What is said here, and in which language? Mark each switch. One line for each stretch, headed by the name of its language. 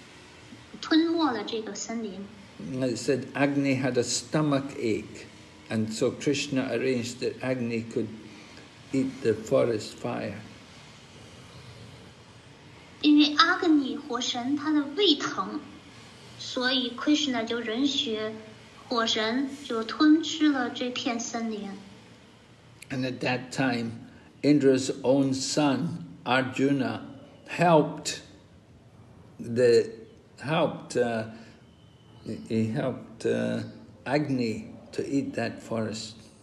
English: It said Agni had a stomach ache, and so Krishna arranged that Agni could eat the forest fire.
Chinese: 因为阿格尼火神他的胃疼。
English: And at that time, Indra's own son, Arjuna, helped Agni to eat that forest.